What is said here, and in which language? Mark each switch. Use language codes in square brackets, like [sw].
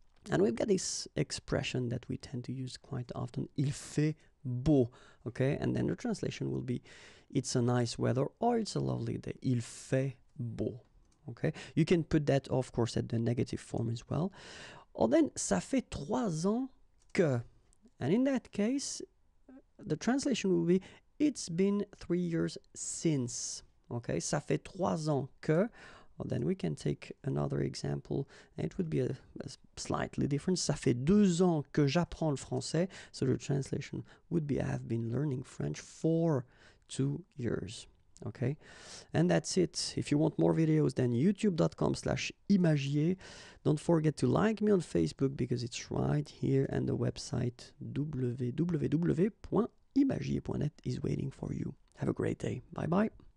[en] And we've got this expression that we tend to use quite often, [fr] il fait beau, [en] okay, and then the translation will be it's a nice weather or it's a lovely day, il fait beau, okay, you can put that of course at the negative form as well, or then [fr] ça fait trois ans que, [en] and in that case the translation will be it's been 3 years since, okay, ça fait trois ans que. Well, then we can take another example. It would be a slightly different. [fr] Ça fait deux ans que j'apprends le français. [en] So the translation would be I have been learning French for 2 years. Okay, and that's it. If you want more videos, then youtube.com/imagier. Don't forget to like me on Facebook because it's right here, and the website www.imagier.net is waiting for you. Have a great day. Bye-bye.